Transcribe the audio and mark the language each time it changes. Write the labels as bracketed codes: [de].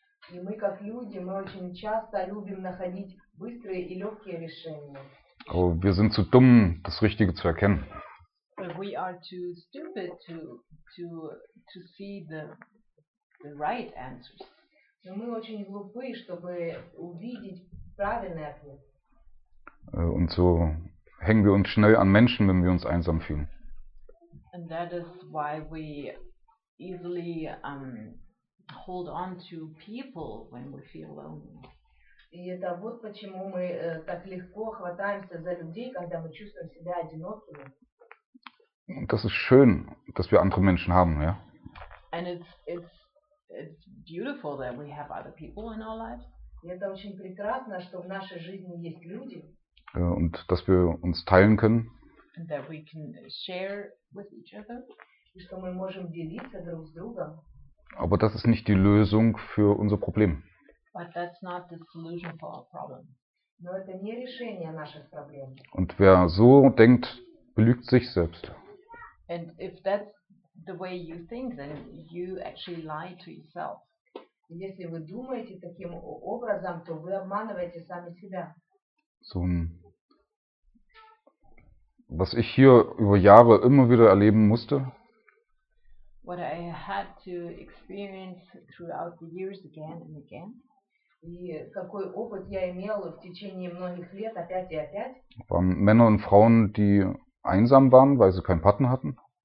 [ru] И мы как люди, мы очень часто любим находить быстрые и легкие решения. [de] Aber wir sind zu dumm, das Richtige zu erkennen. [en] But we are too stupid to see the right answers. [ru] Но мы очень глупы, чтобы увидеть правильный ответ. [de] Und so hängen wir uns schnell an Menschen, wenn wir uns einsam fühlen. [en] And that is why we easily hold on to people when we feel lonely. [ru] И это вот почему мы так легко хватаемся за людей, когда мы чувствуем себя одинокими. [de] Das ist schön, dass wir andere Menschen haben, ja? [en] And it's beautiful that we have other people in our lives. [ru] И это очень прекрасно, что в нашей жизни есть люди. [de] Und dass wir uns teilen können. [en] And that we can share with each other. [ru] И что мы можем делиться друг с другом. [de] Aber das ist nicht die Lösung für unser Problem. [en] But that's not the solution for our problem. [ru] Но это не решение наших проблем. [de] Und wer so denkt, belügt sich selbst. [en] And if that's the way you think, then you actually lie to yourself. [ru] Если вы думаете таким образом, то вы обманываете сами себя. [de] So, was ich hier über Jahre immer wieder erleben musste. [en] What I had to experience throughout the years again and again. [ru] И какой опыт я имел в течение многих лет опять и опять. [de] Waren Männer und Frauen, die einsam waren, weil sie keinen Partner hatten.